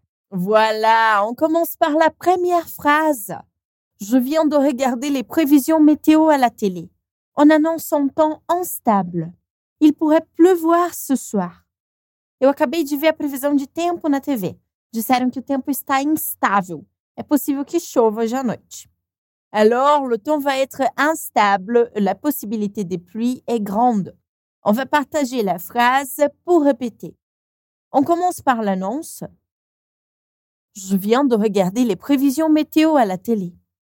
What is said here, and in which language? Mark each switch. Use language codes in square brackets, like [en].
[fr] Voilà, on commence par la première phrase. Je viens de regarder les prévisions météo à la télé. On annonce un temps instable. Il pourrait pleuvoir ce soir. [pt] Eu acabei de ver a previsão de tempo na TV. Disseram que o tempo está instável. É possível que chova hoje à noite. [fr] Alors, le temps va être instable. La possibilité de pluie est grande. On va partager la phrase pour répéter. On commence par l'annonce. Je viens de regarder les prévisions météo à la télé.